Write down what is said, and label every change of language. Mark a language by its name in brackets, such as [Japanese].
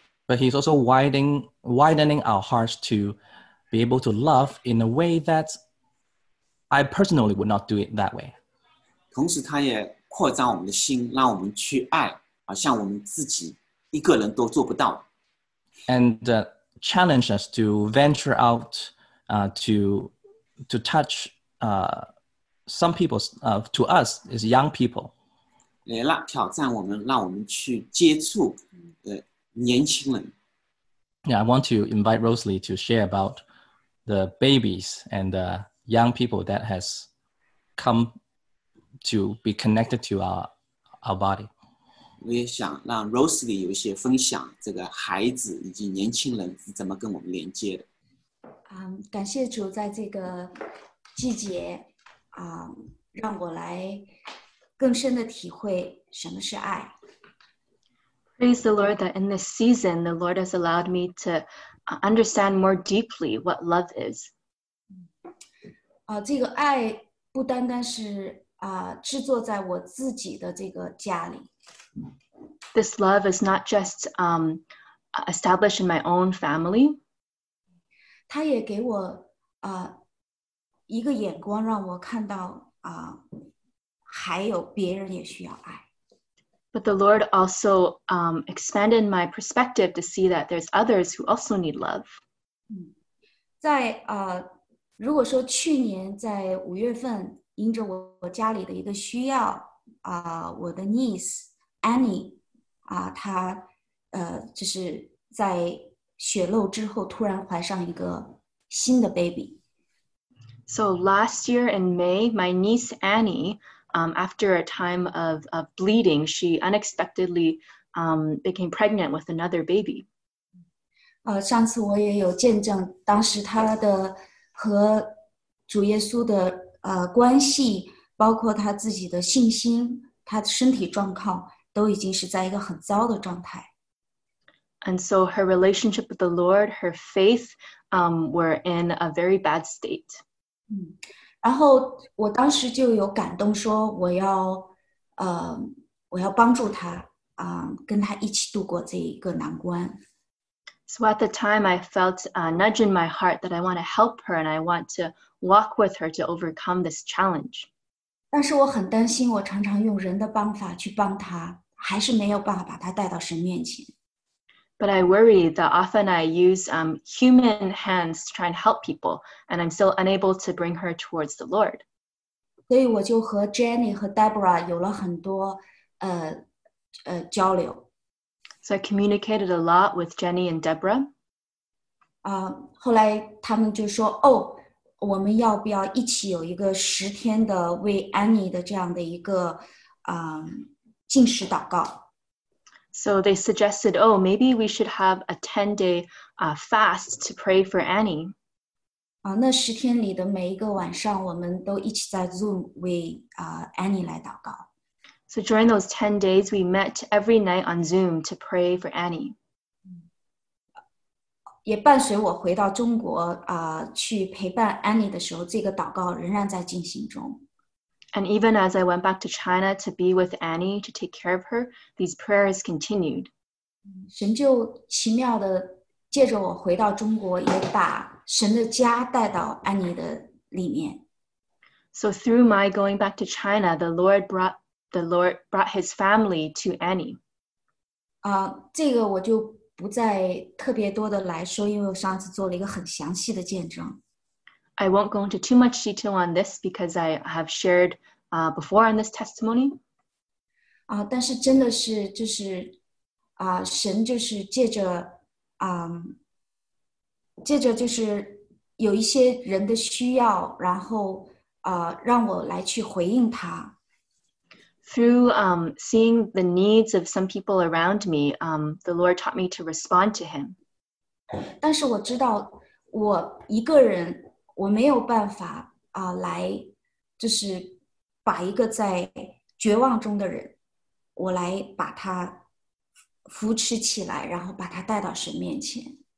[English] But he's also widening our hearts to be able to love in a way that I personally would not do it that way. [Chinese] 同时他也扩张我们的心，让我们去爱，好像我们自己一个人都做不到。 [English] And challenge us to venture out, to touch, some people's, to us as young people. [Chinese] 也让挑战我们，让我们去接触，年轻人。 [English] Yeah, I want to invite Rosalie to share about the babies and the young people that has come. To be connected to our body. [Chinese] 我也想让 Rosalie 有一些分享这个孩子以及年轻人是怎么跟我们连接的。感谢主在这个季节让我来更深的体会什么是爱。 [English] Praise the Lord that in this season, the Lord has allowed me to understand more deeply what love is. [Chinese] 这个爱不单单是制作在我自己的这个家里。 [English] This love is not just established in my own family. [Chinese] 他也给我一个眼光让我看到还有别人也需要爱。 [English] But the Lord also expanded my perspective to see that there's others who also need love. [Chinese] 在如果说去年在五月份因着我家里的一个需要我的 niece Annie 她就是在血漏之后突然怀上一个新的 baby [English] So last year in May my niece Annie after a time of bleeding, she unexpectedly became pregnant with another baby. [Chinese] 上次我也有见证，当时她的和主耶稣的关系，包括她自己的信心，她的身体状况，都已经是在一个很糟的状态。 [English] And so her relationship with the Lord, her faith, were in a very bad state. [Chinese] 然后我当时就有感动说我要帮助她，跟她一起度过这一个难关。 [English] So at the time, I felt a nudge in my heart that I want to help her and I want to walk with her to overcome this challenge. [Chinese] 但是我很担心我常常用人的方法去帮她，还是没有办法把她带到神面前。 [English] But I worry that often I use human hands to try and help people, and I'm still unable to bring her towards the Lord. [Chinese] 所以我就和 Jenny 和 Deborah 有了很多交流。 [English] So I communicated a lot with Jenny and Deborah. [Chinese] 后来他们就说，我们要不要一起有一个十天的为 Annie 的这样的一个禁食祷告。 [English] So they suggested, maybe we should have a 10-day fast to pray for Annie. [Chinese] 那十天里的每一个晚上我们都一起在 Zoom 为 Annie 来祷告。 [English] So during those 10 days, we met every night on Zoom to pray for Annie. [Chinese] 也伴随我回到中国去陪伴 Annie 的时候，这个祷告仍然在进行中。 [English] And even as I went back to China to be with Annie to take care of her, these prayers continued. [Chinese] 神就奇妙地借着我回到中国，也把神的家带到安妮的里面。 [English] So through my going back to China, the Lord brought his family to Annie. [Chinese] 这个我就不再特别多的来说，因为我上次做了一个很详细的见证。 [English] I won't go into too much detail on this because I have shared before on this testimony. [Chinese] 但是真的是就是神就是借着就是有一些人的需要，然后让我来去回应他。 [English] Through seeing the needs of some people around me, the Lord taught me to respond to him. [Chinese] 但是我知道我一个人我没有办法来就是把一个在绝望中的人我来把他扶持起来然后把他带到神面前。